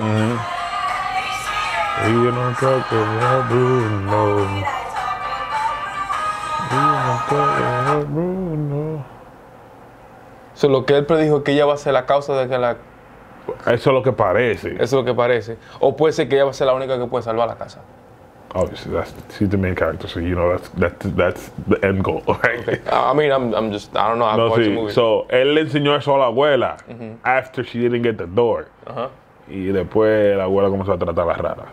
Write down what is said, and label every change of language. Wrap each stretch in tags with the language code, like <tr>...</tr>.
<es>Mm-hmm. Ella no sabe lo que hay, Bruno. So, lo que él predijo es que ella va a ser la causa de que la... Eso es lo que parece. Eso es lo que parece. O puede ser que ella va a ser la única que puede salvar la casa.</es> <en>Obviously, she's the main character, so you know that's the end goal, right? Okay. I mean, I'm just, I don't know, I've watched the movie.</en> <es>So, él le enseñó eso a la abuela, mm-hmm.</es> <en>after she didn't get the door. Uh-huh.</en> <es>Y después la abuela comenzó a tratar a la rara.</es>